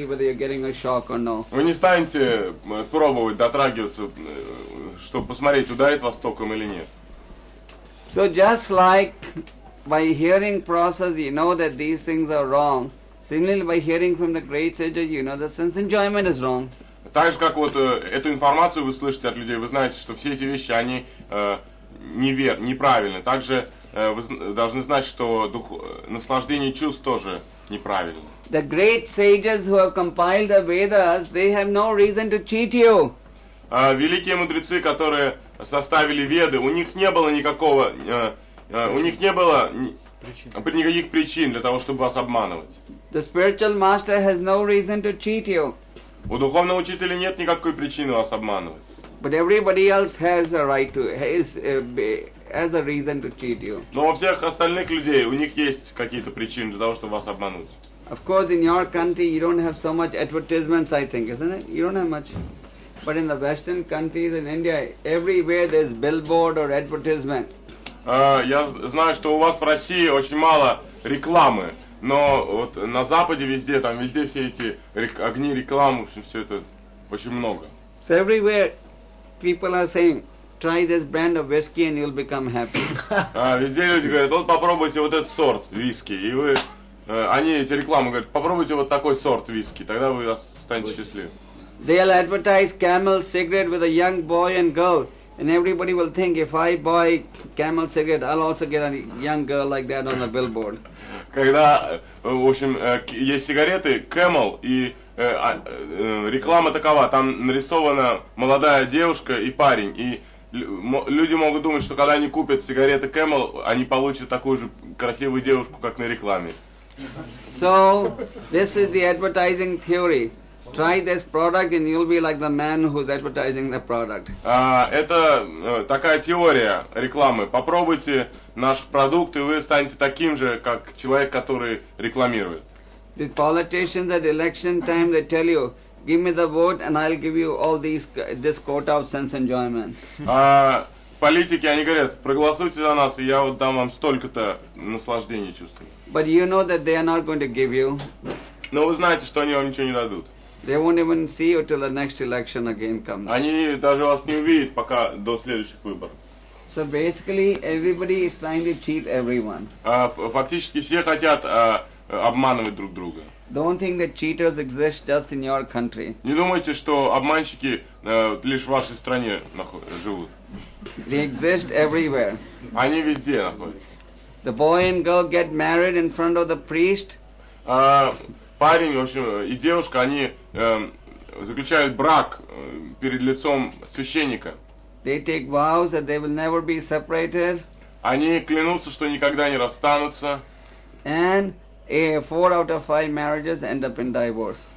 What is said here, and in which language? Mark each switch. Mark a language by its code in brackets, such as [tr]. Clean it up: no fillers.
[ru] Вы не станете пробовать дотрагиваться, чтобы посмотреть, ударит вас током или нет. [en] So just like by hearing process, you know that these things are wrong. Similarly, by hearing from the great sages, you know the sense enjoyment is wrong. [ru] Так же, как вот эту информацию вы слышите от людей, вы знаете, что все эти вещи, они неправильны. Также вы должны знать, что наслаждение чувств тоже неправильно. [en] The great sages who have compiled the Vedas, they have no reason to cheat you. [ru] Великие мудрецы, которые составили Веды, у них не было никакого, у них не было никаких причин для того, чтобы вас обманывать. [en] The spiritual master has no reason to cheat you. [ru] У духовного учителя нет никакой причины вас обманывать. [en] But everybody else has a right to, has a reason to cheat you. [ru] Но у всех остальных людей у них есть какие-то причины для того, чтобы вас обмануть. [en] Of course, in your country you don't have so much advertisements, I think, isn't it? You don't have much. But in the Western countries, in India, everywhere there's billboard or advertisement. [ru] Я знаю, что у вас в России очень мало рекламы. Но вот на Западе везде, там везде все эти огни рекламы, в общем, все это очень много. [en] So everywhere people are saying, try this brand of whiskey and you'll become happy. [ru] Везде люди говорят, вот попробуйте вот этот сорт виски. И вы, они эти рекламы говорят, попробуйте вот такой сорт виски, тогда вы станете счастливы. [en] They'll advertise Camel cigarette with a young boy and girl. And everybody will think, if I buy Camel cigarette, I'll also get a young girl like that on the billboard. [ru] Когда, в общем, есть сигареты Camel, и реклама такова, там нарисована молодая девушка и парень, и люди могут думать, что когда они купят сигареты Camel, они получат такую же красивую девушку, как на рекламе. [en] So, this is the advertising theory. Try this product and you'll be like the man who's advertising the product. [ru] Это такая теория рекламы. Попробуйте наш продукт, и вы станете таким же, как человек, который рекламирует. [en] The politicians at election time, they tell you, give me the vote and I'll give you all these, this quota of sense enjoyment. [ru] Политики, они говорят, проголосуйте за нас, и я вот дам вам столько-то наслаждения чувствую. [en] But you know that they are not going to give you. [ru] Но вы знаете, что они вам ничего не дадут. [en] They won't even see you till the next election again comes. [ru] Они даже вас не увидят пока до следующих выборов. [en] So basically, everybody is trying to cheat everyone. [ru] Фактически все хотят обманывать друг друга. [en] Don't think that cheaters exist just in your country. [ru] Не думайте, что обманщики лишь в вашей стране живут. [en] They exist everywhere. [ru] Они везде находятся. [en] The boy and girl get married in front of the priest. [ru] Парень, в общем, и девушка, они заключают брак перед лицом священника. [en] They take vows that they will never be separated. [ru] Они клянутся, что никогда не расстанутся. [en] And four out of five marriages end up in divorce.